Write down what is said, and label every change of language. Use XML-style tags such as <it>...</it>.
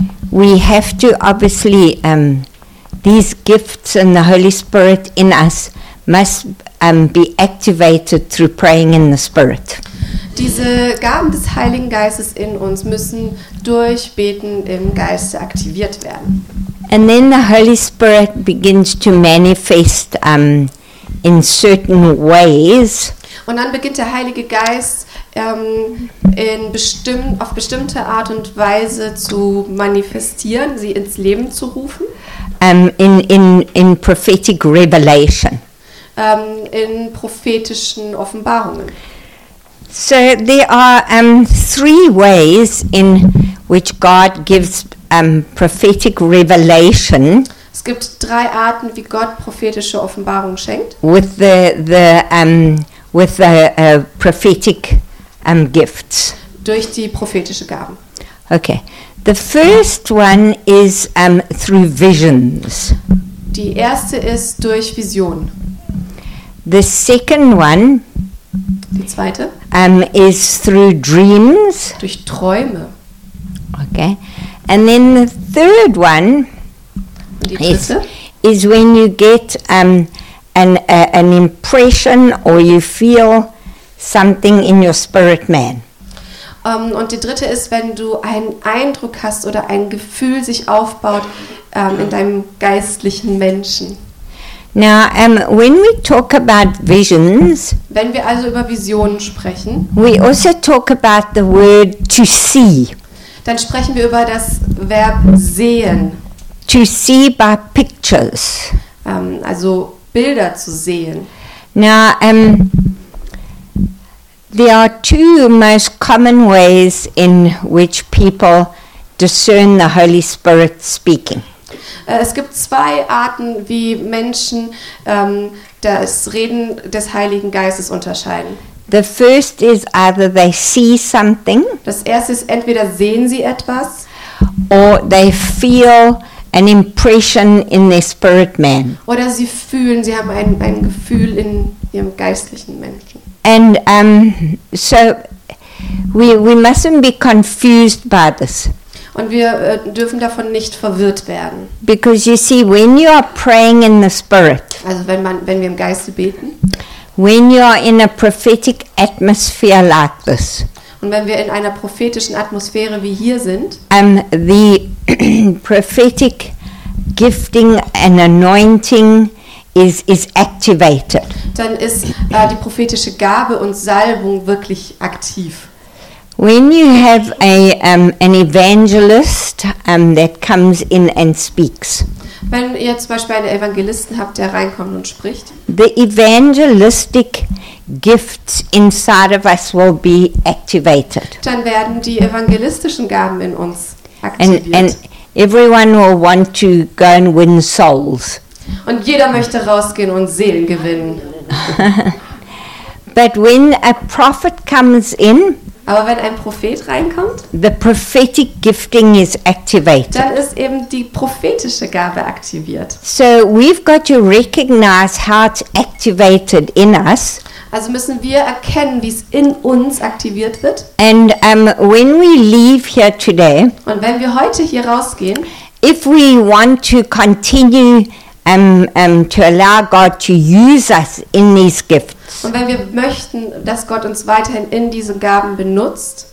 <en>We have to obviously these gifts and the Holy Spirit in us must be activated through praying in the Spirit.</en> <de>Diese Gaben des Heiligen Geistes in uns müssen durch Beten im Geiste aktiviert werden.</de> <en>And then the Holy Spirit begins to manifest in certain ways.</en> <de>Und dann beginnt der Heilige Geist auf bestimmte Art und Weise zu manifestieren, sie ins Leben zu rufen.</de> <en>In prophetic revelation.</en> <de>In prophetischen Offenbarungen.</de> <en>So there are three ways in which God gives prophetic revelation.</en> <de>Es gibt drei Arten, wie Gott prophetische Offenbarung schenkt.</de> <en>With the prophetic gifts.</en> <de>Durch die prophetische Gaben.</de> <en>Okay. The first one is through visions.</en> <de>Die erste ist durch Visionen.</de> <en>The second one,</en> <de>die zweite,</de> <en>is through dreams.</en> <de>Durch Träume.</de> <en>Okay.</en> <de>And then the third one is when you get an impression or you feel something in your spirit man.</de> <en>Und die dritte ist, wenn du einen Eindruck hast oder ein Gefühl sich aufbaut in deinem geistlichen Menschen. Now, when we talk about visions,</en> <de>wenn wir also über Visionen sprechen,</de> <en>we also talk about the word to see.</en> <de>Dann sprechen wir über das Verb sehen.</de> <en>To see by pictures.</en> <de>Also Bilder zu sehen.</de> <en>Now, there are two most common ways in which people discern the Holy Spirit speaking.</en> <de>Es gibt zwei Arten, wie Menschen das Reden des Heiligen Geistes unterscheiden.</de> <en>The first is either they see something.</en> <de>Das erste ist, entweder sehen sie etwas.</de> <en>Or they feel an impression in their spirit man.</en> <de>Oder sie fühlen, sie haben ein Gefühl in ihrem geistlichen Menschen.</de> <en>And so we mustn't be confused by this.</en> <de>Und wir dürfen davon nicht verwirrt werden.</de> <en>Because you see, when you are praying in the spirit.</en> <de>Also wenn wir im Geiste beten.</de> <en>When you are in a prophetic atmosphere like this.</en> <de>Und wenn wir in einer prophetischen Atmosphäre wie hier sind.</de> <en>The prophetic gifting and anointing is activated.</en> <de>Dann ist die prophetische Gabe und Salbung wirklich aktiv.</de> <en>When you have an evangelist that comes in and speaks.</en> <de>Wenn ihr zum Beispiel einen Evangelisten habt, der reinkommt und spricht.</de> <en>The evangelistic gifts inside of us will be activated.</en> <de>Dann werden die evangelistischen Gaben in uns aktiviert.</de> <en>And everyone will want to go and win souls.</en> <de>Und jeder möchte rausgehen und Seelen gewinnen.</de> <en>But when a prophet comes in.</en> <de>Aber wenn ein Prophet reinkommt,</de> <en>the prophetic gifting is activated.</en> <de>Dann ist eben die prophetische Gabe aktiviert.</de> <en>So we've got to recognize how it's activated in us.</en> <de>Also müssen wir erkennen, wie es in uns aktiviert wird.</de> <en>And when we leave here today,</en> <de>und wenn wir heute hier rausgehen,</de> <en>if we want to continue to allow God to use us in these gifts.</en> <de>Und wenn wir möchten, dass Gott uns weiterhin in diesen Gaben benutzt,</de>